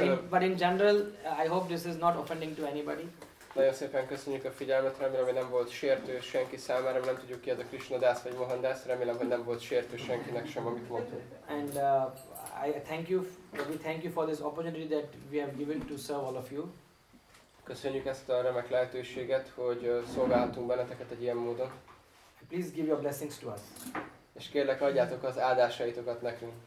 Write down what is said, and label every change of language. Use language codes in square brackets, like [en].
[en] But in general, I hope this is not offending to anybody. [hu] Nagyon szépen köszönjük a figyelmet, remélem, hogy nem volt sértő senki számára, nem tudjuk ki az a Krishnadas vagy Mohandas, remélem, hogy nem volt sértő senkinek sem, amit mondtunk. [en] And I thank you, we thank you for this opportunity that we have given to serve all of you. [hu] Köszönjük ezt a remek lehetőséget, hogy szolgáltunk benneteket egy ilyen módon. [en] Please give your blessings to us. [hu] És kérlek, adjátok az áldásaitokat nekünk.